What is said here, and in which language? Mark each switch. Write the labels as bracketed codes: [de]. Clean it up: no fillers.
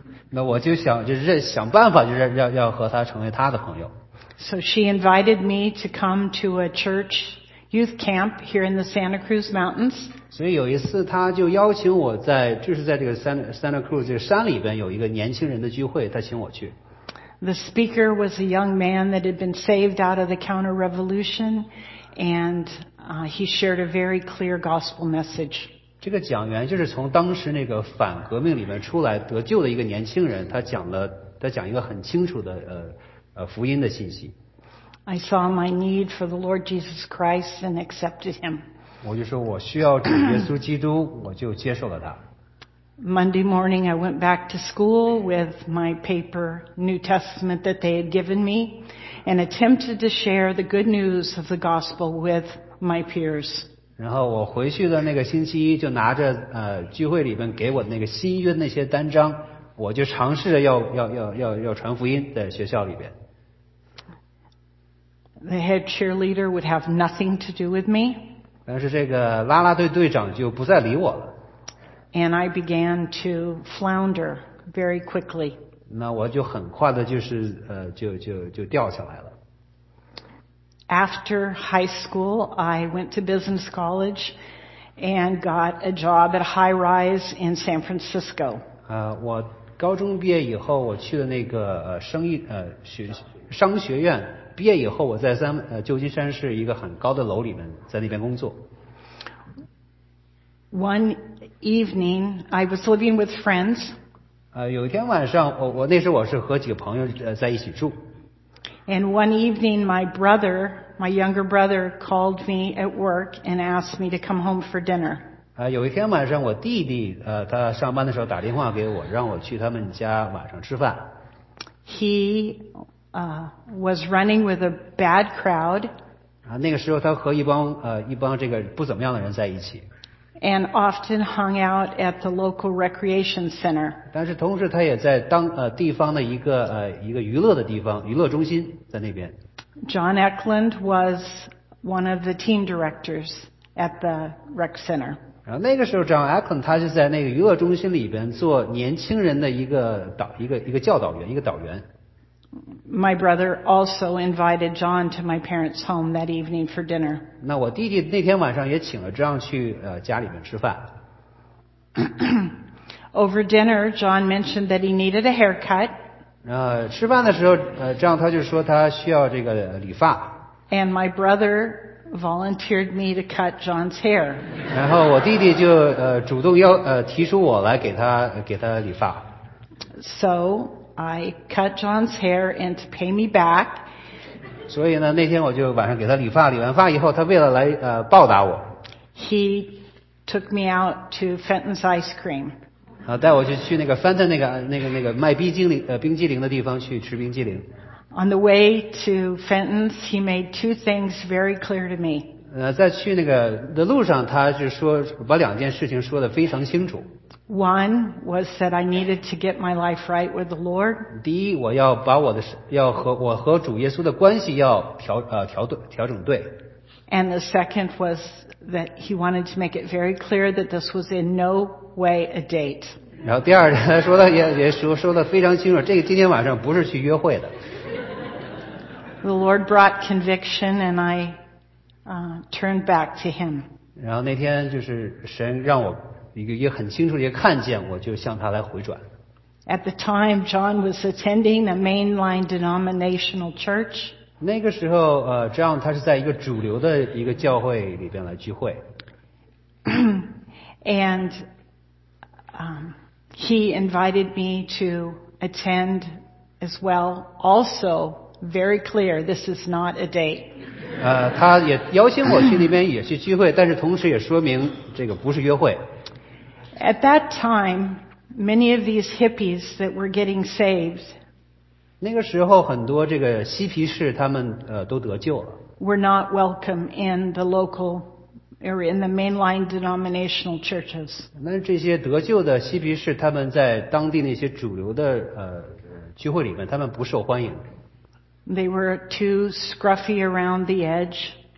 [zh] 那我就想就是想办法就是要和她成为她的朋友。 [en] So she invited me to come to a church youth camp here in the Santa Cruz Mountains. [zh] 所以有一次她就邀请我在就是在这个 Santa Cruz 这个山里边有一个年轻人的聚会，她请我去。 [en] The speaker was a young man that had been saved out of the counter revolution, and he shared a very clear gospel message. [zh] 这个讲员就是从当时那个反革命里面出来得救的一个年轻人，他讲一个很清楚的福音的信息。 [en] I saw my need for the Lord Jesus Christ and accepted him. [zh] 我就说我需要主耶稣基督，我就接受了他。 [en] Monday morning, I went back to school with my paper New Testament that they had given me and attempted to share the good news of the gospel with my peers. [zh] 然后我回去的那个星期一就拿着聚会里面给我那个新约那些单章，我就尝试着要传福音在学校里边。 [en] The head cheerleader would have nothing to do with me. [zh] 但是这个拉拉队队长就不再理我了。 [en] And I began to flounder very quickly. [zh] 那我就很快的就是就掉下来了。 [en] After high school, I went to business college and got a job at a high rise in San Francisco. [zh] 我高中毕业以后我去了那个商学院，毕业以后我在旧金山市一个很高的楼里面在那边工作。 [en] One evening, I was living with friends. [zh] 有一天晚上，我那时我是和几个朋友在一起住。 [en] And one evening, my younger brother, called me at work and asked me to come home for dinner. [zh] 有一天晚上，我弟弟他上班的时候打电话给我，让我去他们家晚上吃饭。 [en] He was running with a bad crowd. [zh] 那个时候他和一帮这个不怎么样的人在一起。 [en] And often hung out at the local recreation center. [zh] 但是同时他也在当地方的一个娱乐的地方娱乐中心在那边。 [en] John Eklund was one of the team directors at the rec center. [zh] 然后那个时候 John Eklund 他就在那个娱乐中心里边做年轻人的一个教导员一个导员。 [en] My brother also invited John to my parents' home that evening for dinner. [zh] 那我弟弟那天晚上也请了 John 去家里面吃饭。 [en] Over dinner, John mentioned that he needed a haircut. [zh] 吃饭的时候，John 他就说他需要这个理发。 [en] And my brother volunteered me to cut John's hair. [zh] 然后我弟弟就主动要提出我来给他理发。 [en] So. I cut John's hair and to pay me back. [zh] 所以呢，那天我就晚上给他理发，理完发以后，他为了来报答我。 [en] He took me out to Fenton's ice cream. [zh] 带我去那个 Fenton 那个卖冰激凌的地方去吃冰激凌。 [en] On the way to Fenton's, he made two things very clear to me. [zh] 在去那个的路上，他是说把两件事情说得非常清楚。 [en] One was that I needed to get my life right with the Lord. [zh] 第一，我要把我的要和我和主耶稣的关系要调调整对。 [en] And the second was that he wanted to make it very clear that this was in no way a date. [zh] 然后第二，他说的也说的非常清楚，这个今天晚上不是去约会的。 [en] The Lord brought conviction, and I turned back to him. [zh] 然后那天就是神让我。也很清楚地看见，我就向他来回转。 [en] At the time, John was attending a mainline denominational church. [zh] 那个时候，John 他是在一个主流的一个教会里边来聚会。 [en] And he invited me to attend as well. Also, very clear, this is not a date. [zh] 他也邀请我去那边也去聚会，但是同时也说明这个不是约会。 [en] At that time, many of these hippies that were getting saved, [zh] 那个时候很多这个嬉皮士他们都得救了 [en] were not welcome in the local or in the mainline denominational churches. [zh] 那这些得救的嬉皮士他们在当地那些主流的聚会里面他们不受欢迎 [en] They were too scruffy around the edge.